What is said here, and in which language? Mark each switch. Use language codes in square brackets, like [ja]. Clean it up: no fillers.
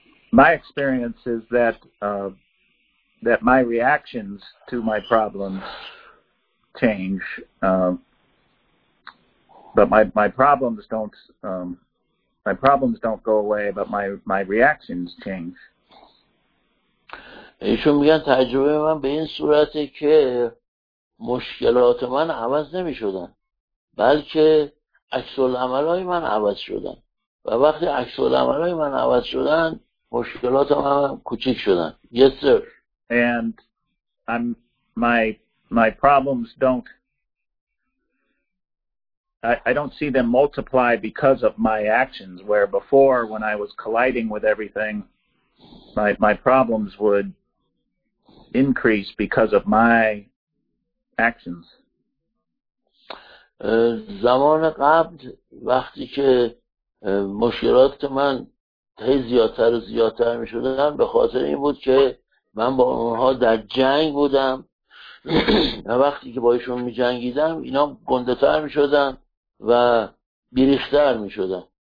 [en] My experience is that my reactions to my problems change, but my problems don't go away, but my reactions change. [fa] ایشون میگن تجربه من به این صورته که مشکلات من عوض نمی شدن، بلکه عکس العمل های من عوض شدن و وقتی عکس العمل های من عوض شدن مشکلات من کوچک شدن. [en] Yes sir. And my problems don't I don't see them multiply because of my actions, where before when I was colliding with everything my problems would increase because of my actions. [fa] زمان قبل وقتی که مشکلات من زیادتر و زیادتر می شدن به خاطر این بود که من با اونها در جنگ بودم و وقتی که با ایشون می جنگیدم اینا گنده تر می شدن و بیریختر می شدن.